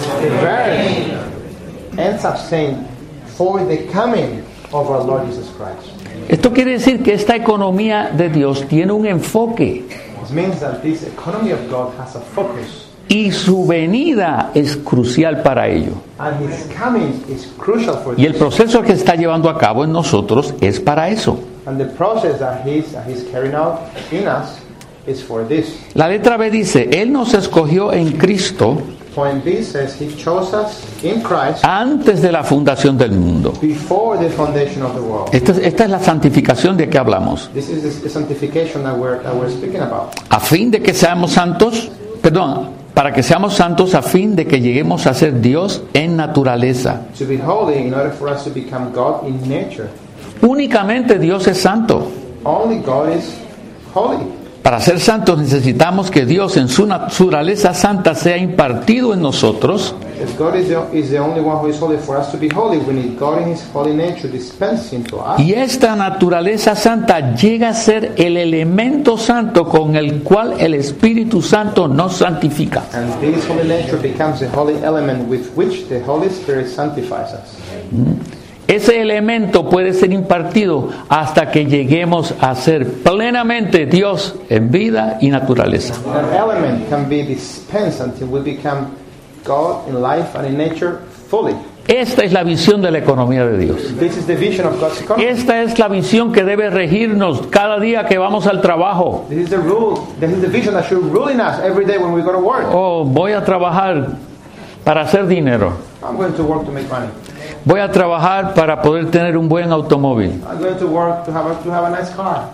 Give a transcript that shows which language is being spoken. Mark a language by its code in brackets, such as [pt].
[en] The verse ends up saying for the coming of our Lord Jesus Christ. [es] Esto quiere decir que esta economía de Dios tiene un enfoque. [en] It means that this economy of God has a focus. [es] Y su venida es crucial para ello. [en] And his coming is crucial for this. [es] Y el proceso que está llevando a cabo en nosotros es para eso. [en] And the process that he's carrying out in us is for this. [es] La letra B dice, Él nos escogió en Cristo. [en] Point B says he chose us in Christ [es] antes de la fundación del mundo. [en] Before the foundation of the world. [es] Esta es la santificación de que hablamos. [en] This is the sanctification that we're speaking about. [es] A fin de que seamos santos, perdón, para que seamos santos a fin de que lleguemos a ser Dios en naturaleza. [en] To be holy in order for us to become God in nature. [es] Únicamente Dios es santo. [en] Only God is holy. [es] Para ser santos necesitamos que Dios en su naturaleza santa sea impartido en nosotros. [en] If God is the only one who is holy, for us to be holy, we need God in his holy nature dispensing to us. [es] Y esta naturaleza santa llega a ser el elemento santo con el cual el Espíritu Santo nos santifica. [en] And this holy nature becomes the holy element with which the Holy Spirit sanctifies us. [es] Ese elemento puede ser impartido hasta que lleguemos a ser plenamente Dios en vida y naturaleza. [en] That element can be dispensed until we become God in life and in nature fully. [es] Esta es la visión de la economía de Dios. [en] This is the vision of God's economy. [es] Esta es la visión que debe regirnos cada día que vamos al trabajo. [en] This is the rule. This is the vision that should rule in us every day when we go to work. [es] Oh, voy a trabajar para hacer dinero. [en] I'm going to work to make money. [es] Voy a trabajar para poder tener un buen automóvil. [en] I'm going to work to have a nice car.